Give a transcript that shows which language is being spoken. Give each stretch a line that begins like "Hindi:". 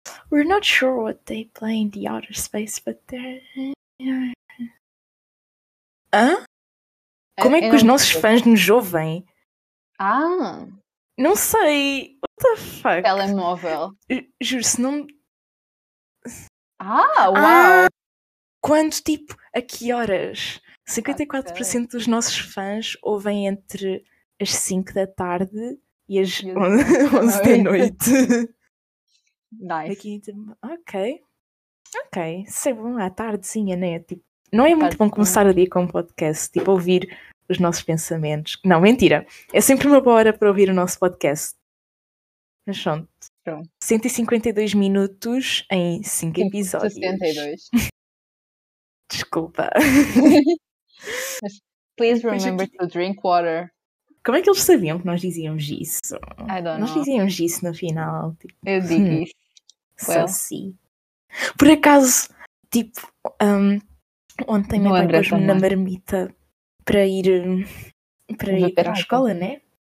English: We're not sure what they play in the outer space, but they're... Hã?
Portuguese: Como é que os nossos fãs nos ouvem? Ah! Não sei!
English: What the fuck?
Portuguese: Telemóvel. Juro, se não... Ah, uau! Ah, quando, tipo, a que horas? 54% dos nossos fãs ouvem entre as 5 da tarde e as 11 da noite.
English: Nice.
Portuguese: Aqui, ok. Ok. Sei, bom, à tardezinha, né? Tipo, não é muito bom começar o dia com um podcast, tipo, ouvir os nossos pensamentos. Não, mentira. É sempre uma boa hora para ouvir o nosso podcast. Mas pronto. 152 minutos em 5 episódios. 162. Desculpa.
English: Please remember to drink water.
Portuguese: Como é que eles sabiam que nós dizíamos isso?
English: I don't know.
Portuguese: Nós dizíamos isso no final. Tipo, eu digo isso.
English: Well.
Portuguese: Só sim. Por acaso, tipo... ontem me apagou-me na marmita para ir para a escola, né?